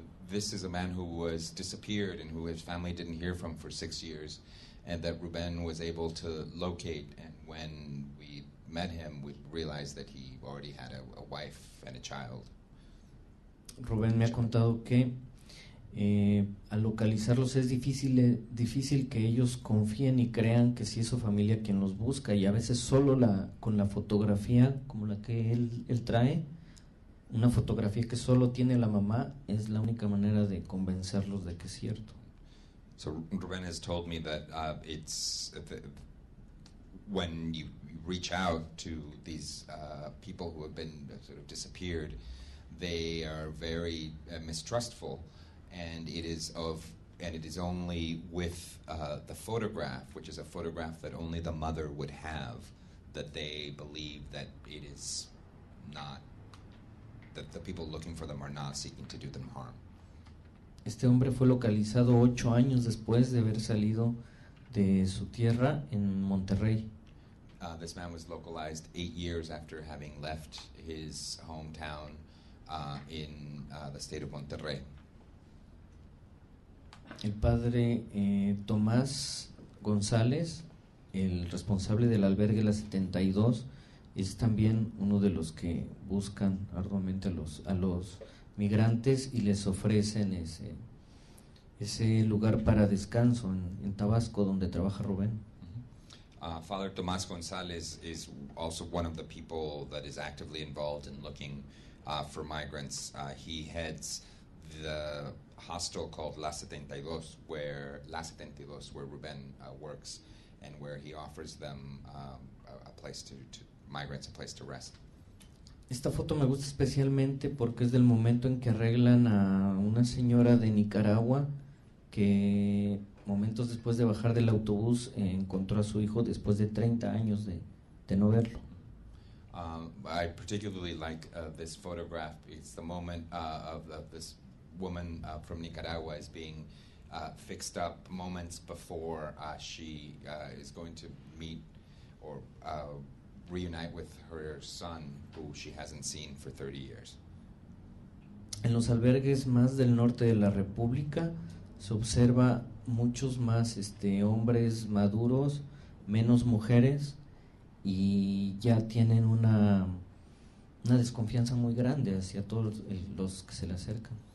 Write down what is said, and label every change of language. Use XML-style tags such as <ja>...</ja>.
<en>This is a man who was disappeared and who his family didn't hear from for 6 years, and that Rubén was able to locate, and when we met him we realized that he already had a wife and a child.</en> <es>Rubén me ha contado que al localizarlos es difícil que ellos confíen y crean que sí es su familia quien los busca, y a veces solo con la fotografía como la que él trae, una fotografía que solo tiene la mamá, es la única manera de convencerlos de que es cierto.</es> <en>So Rubén has told me that it's when you reach out to these people who have been sort of disappeared, they are very mistrustful, and it is of, and it is only with the photograph, which is a photograph that only the mother would have, that they believe that it is not, that the people looking for them are not seeking to do them harm.</en> <es>Este hombre fue localizado 8 años después de haber salido de su tierra en Monterrey.</es> <en>This man was localized 8 years after having left his hometown in the state of Monterrey.</en> <es>El padre Tomás González, el responsable del albergue La 72, es también uno de los que buscan arduamente a los migrantes y les ofrecen ese, ese lugar para descanso en Tabasco, donde trabaja Rubén.</es> <en>Father Tomás González is also one of the people that is actively involved in looking for migrants. He heads the hostel called La 72, where Rubén works, and where he offers them a place to migrants a place to rest.</en> <es>Esta foto me gusta especialmente porque es del momento en que arreglan a una señora de Nicaragua que momentos después de bajar del autobús encontró a su hijo después de 30 años de no verlo.</es> <en>I particularly like this photograph. It's the moment of this woman from Nicaragua is being fixed up moments before she is going to meet or reunite with her son who she hasn't seen for 30 years.</en> <es>En los albergues más del norte de la República se observa muchos más hombres maduros, menos mujeres, y ya tienen una desconfianza muy grande hacia todos los que se le acercan.</es>